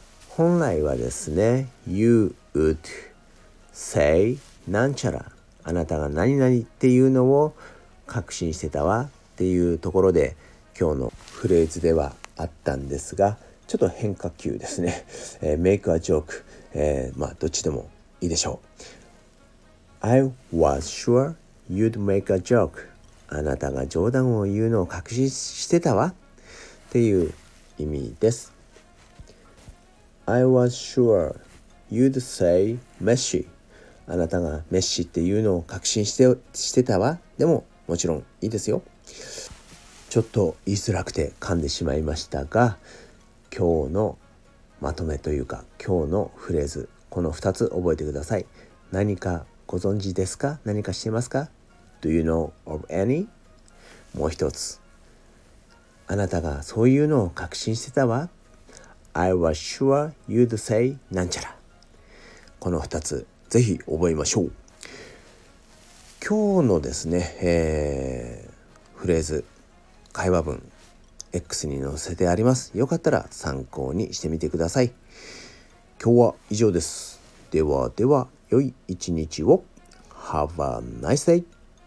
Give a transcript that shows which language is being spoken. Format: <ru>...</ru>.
<ja>本来はですね、</ja> <en>you would say</en> <ja>なんちゃら、あなたが何々っていうのを確信してたわっていうところで今日のフレーズではあったんですが、ちょっと変化球ですね。</ja> <en>make a joke、</en> <ja>まあどっちでもいいでしょう。</ja> <en>I was sure you'd make a joke。</en> <ja>あなたが冗談を言うのを確信してたわっていう意味です。</ja> <en>I was sure you'd say messy。</en> <ja>あなたがメッシっていうのを確信してたわ。でももちろんいいですよ。ちょっと言いづらくて噛んでしまいましたが、今日のまとめというか今日のフレーズ、この2つ覚えてください。何かご存知ですか、何か知ってますか、</ja> <en>Do you know of any?</en> <ja>もう一つ、あなたがそういうのを確信してたわ。</ja> <en>I was sure you'd say なんちゃら。</en> <ja>この2つぜひ覚えましょう。今日のですね、フレーズ会話文 X に載せてあります。よかったら参考にしてみてください。今日は以上です。ではでは、良い一日を。</ja> <en>Have a nice day。</en>